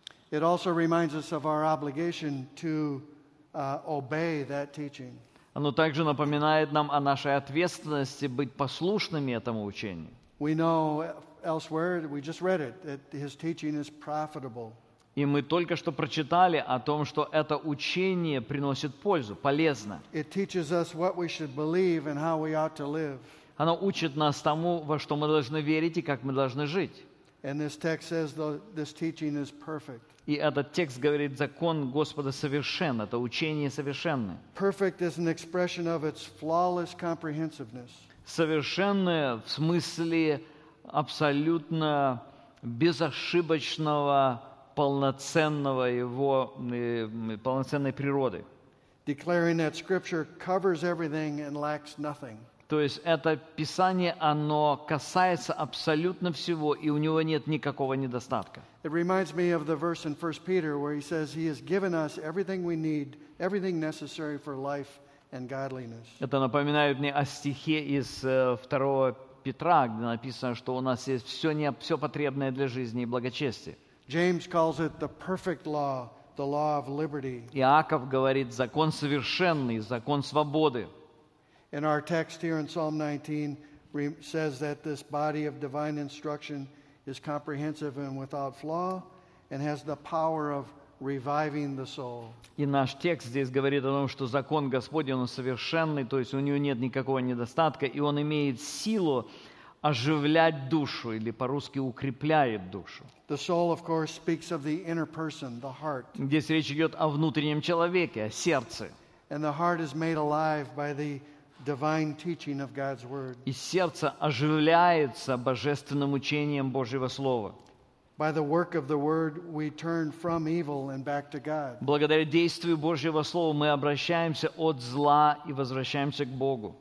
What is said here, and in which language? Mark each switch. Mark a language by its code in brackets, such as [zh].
[en] It also reminds us of our obligation to obey that teaching. [ru] Оно также напоминает нам о нашей ответственности быть послушными этому учению. [en] We know elsewhere, we just read it, that his teaching is profitable. [ru] И мы только что прочитали о том, что это учение приносит пользу, полезно. [en] It teaches us what we should believe and how we ought to live. [ru] Оно учит нас тому, во что мы должны верить и как мы должны жить. [en] And this text says this teaching is perfect. [ru] И этот текст говорит, закон Господа совершен, это учение совершенное. [en] Perfect is an expression of its flawless comprehensiveness. [ru] Совершенное в смысле абсолютно безошибочного полноценного его полноценной природы. [en] Declaring that scripture covers everything and lacks nothing. [ru] То есть это Писание, оно касается абсолютно всего, и у него нет никакого недостатка. [en] It reminds me of the verse in 1 Peter where he says he has given us everything we need, everything necessary for life and godliness. [ru] Это напоминает мне о стихе из 2 Петра, где написано, что у нас есть все потребное для жизни и благочестия. [en] James calls it the perfect law, the law of liberty. [ru] Иаков говорит закон совершенный, закон свободы. [en] And our text here in Psalm 19 says that this body of divine instruction is comprehensive and without flaw and has the power of reviving the soul. [ru] И наш текст здесь говорит о том, что закон Господень, он совершенный, то есть у него нет никакого недостатка, и он имеет силу оживлять душу, или по-русски укрепляет душу. [en] The soul, of course, speaks of the inner person, the heart. [ru] Здесь речь идет о внутреннем человеке, о сердце. [en] And the heart is made alive by the divine teaching of God's word. [ru] И сердце оживляется божественным учением Божьего слова. [en] By the work of the word, we turn from evil and back to God. [ru] Благодаря действию Божьего слова мы обращаемся от зла и возвращаемся к Богу.